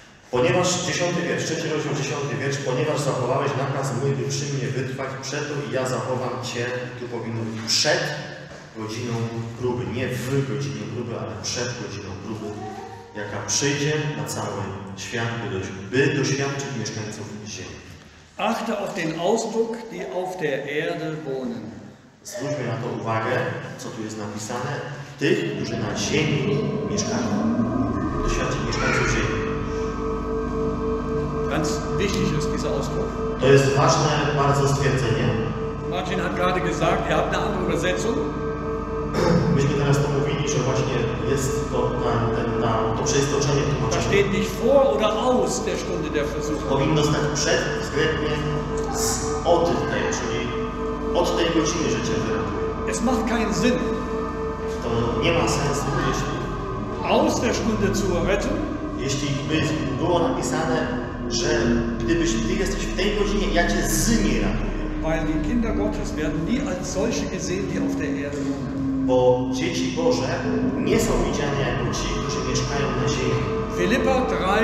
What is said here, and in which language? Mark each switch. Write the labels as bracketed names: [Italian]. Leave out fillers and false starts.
[Polish] Ponieważ 10 wiersz, 3 rozdział 10 wiersz, ponieważ zachowałeś nakaz mój, by przy mnie wytrwać, przed to i ja zachowam cię, tu powinno być przed godziną próby, nie w godzinie próby, ale przed godziną próby, jaka przyjdzie na cały świat, by doświadczyć mieszkańców ziemi. [German] Achte auf den Ausdruck, die auf der Erde wohnen. [Polish] Zwróćmy na to uwagę, co tu jest napisane, tych, którzy na ziemi mieszkają, doświadczyć mieszkańców ziemi. [German] Ganz wichtig ist dieser Ausdruck. [Polish] To jest ważne, bardzo stwierdzenie. [German] Martin hat gerade gesagt, ihr habt eine andere Übersetzung. [Polish] Myśmy teraz to mówili, że właśnie jest to, to przeistoczenie tłumaczenia. [German] Da steht nicht vor oder aus der Stunde der Versuchung. [Polish] Powinno stać przed, względnie, od tej, czyli od tej godziny, że cię wyratuje. [German] Es macht keinen Sinn. [Polish] To nie ma sensu, jeśli... [German] Aus der Stunde zur Rettung. [Polish] Jeśli by było napisane, że gdybyś ty jesteś w tej godzinie, ja cię z niej ratuję. [German] Weil die Kinder Gottes werden nie als solche gesehen, die auf der Erde wohnen. [Polish] Bo dzieci Boże nie są widziane jako ci, którzy mieszkają na ziemi.